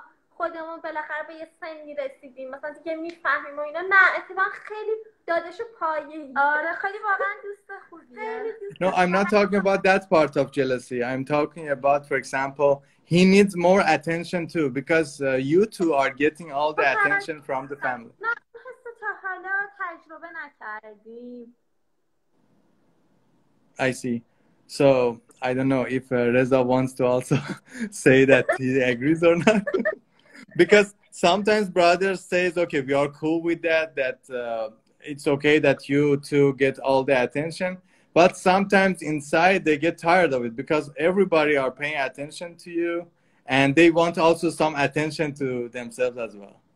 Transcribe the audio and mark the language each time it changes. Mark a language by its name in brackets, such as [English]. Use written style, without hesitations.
[Persian] خودمون بالاخره به یه سنی رسیدیم مثلا دیگه میفهمیم و اینا. نه اتفاقا خیلی داداشو پایه‌ای. آره خیلی واقعا دوست خوبیه. [English] No, I'm not talking about that part of jealousy. I'm talking about, for example, he needs more attention too because you two are getting all the attention from the family. [Persian] نه حس تا حالا تجربه نکردیم. [English] I see. So, I don't know if Reza wants to also say that he agrees or not. Because sometimes brothers says, okay, we are cool with that, that it's okay that you two get all the attention. But sometimes inside they get tired of it because everybody are paying attention to you and they want also some attention to themselves as well.